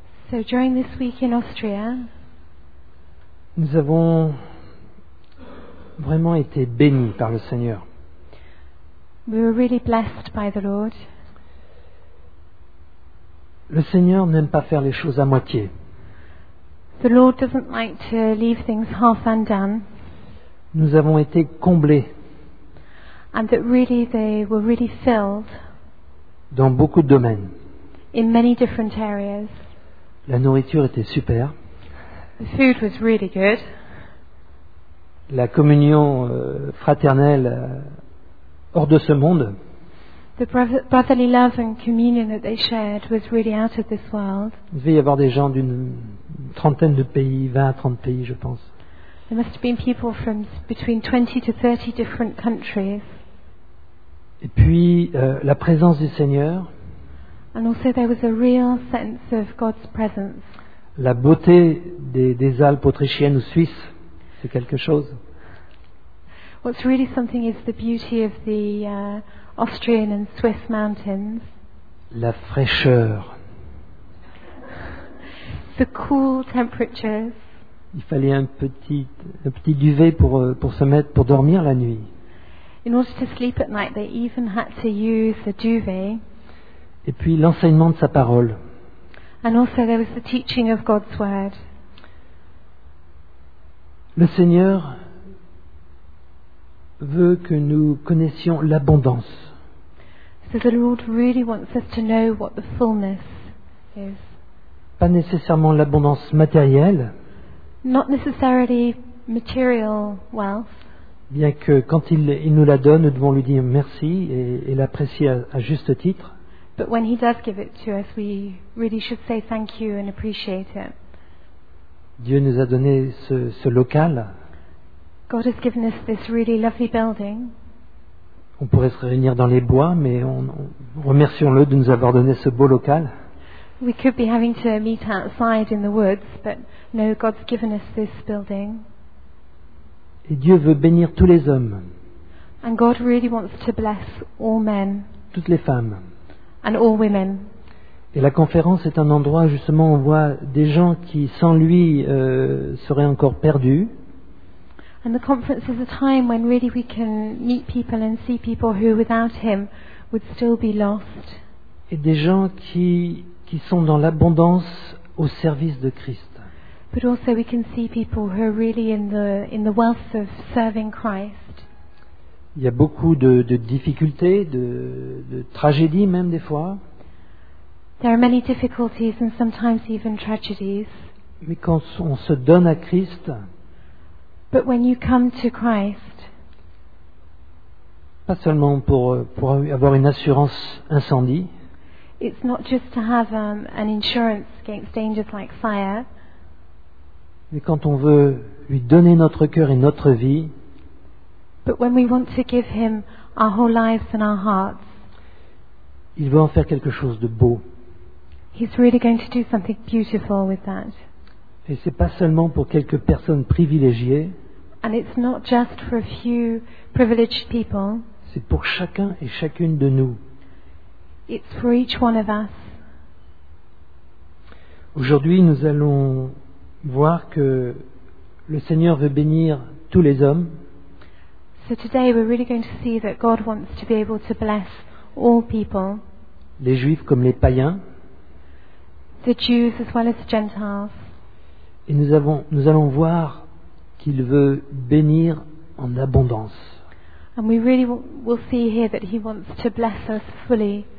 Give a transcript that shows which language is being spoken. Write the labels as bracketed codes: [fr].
[en] So during this week in Austria, [fr] nous avons vraiment été bénis par le Seigneur. [en] We were really blessed by the Lord. [fr] Le Seigneur n'aime pas faire les choses à moitié. [en] The Lord doesn't like to leave things half undone. [fr] Nous avons été comblés. [en] And that really they were really filled. [fr] Dans beaucoup de domaines. [en] In many different areas. [fr] La nourriture était super. [en] The food was really good. [fr] La communion fraternelle hors de ce monde. [en] The brotherly love and communion that they shared was really out of this world. [fr] Il devait y avoir des gens d'une trentaine de pays, 20 à 30 pays, je pense. [en] There must have been people from between 20 to 30 different countries. [fr] Et puis la présence du Seigneur. [en] And also there was a real sense of God's presence. [fr] La beauté des Alpes autrichiennes ou suisses, c'est quelque chose. [en] What's really something is the beauty of the Austrian and Swiss mountains. [fr] La fraîcheur. [en] The cool temperatures. [fr] Il fallait un petit duvet pour se mettre pour dormir la nuit. [en] In order to sleep at night, they even had to use a duvet. [fr] Et puis l'enseignement de sa parole. [en] And also there was the teaching of God's word. [fr] Le Seigneur veut que nous connaissions l'abondance. [en] So the Lord really wants us to know what the fullness is. [fr] Pas nécessairement l'abondance matérielle. [en] Not necessarily material wealth. [fr] Bien que quand il nous la donne, nous devons lui dire merci et l'apprécier à juste titre. [en] But when he does give it to us, we really should say thank you and appreciate it. [fr] Dieu nous a donné ce local. [en] God has given us this really lovely building. [fr] On pourrait se réunir dans les bois, mais remercions-le de nous avoir donné ce beau local. [en] We could be having to meet outside in the woods, but no, God's given us this building. [fr] Et Dieu veut bénir tous les hommes. [en] And God really wants to bless all men. [fr] Toutes les femmes. [en] And all women. [fr] Et la conférence est un endroit justement où on voit des gens qui sans lui seraient encore perdus. [en] And the conference is a time when really we can meet people and see people who without him would still be lost. [fr] Et des gens qui sont dans l'abondance au service de Christ. [en] But also we can see people who are really in the wealth of serving Christ. [fr] Il y a beaucoup de difficultés, de tragédies même des fois. [en] There are many difficulties and sometimes even tragedies. [fr] Mais quand on se donne à Christ. [en] But when you come to Christ, [fr] pas seulement pour avoir une assurance incendie. [en] It's not just to have an insurance against dangers like fire. [fr] Mais quand on veut lui donner notre cœur et notre vie. [en] But when we want to give him our whole lives and our hearts, [fr] il veut en faire quelque chose de beau. [en] He's really going to do something beautiful with that. [fr] Et c'est pas seulement pour quelques personnes privilégiées. [en] And it's not just for a few privileged people. [fr] C'est pour chacun et chacune de nous. [en] It's for each one of us. [fr] Aujourd'hui, nous allons voir que le Seigneur veut bénir tous les hommes. [en] So today we're really going to see that God wants to be able to bless all people. [fr] Les Juifs comme les païens. [en] The Jews as well as the Gentiles. [fr] Et nous allons voir qu'il veut bénir en abondance. [en] And we really will see here that he wants to bless us fully.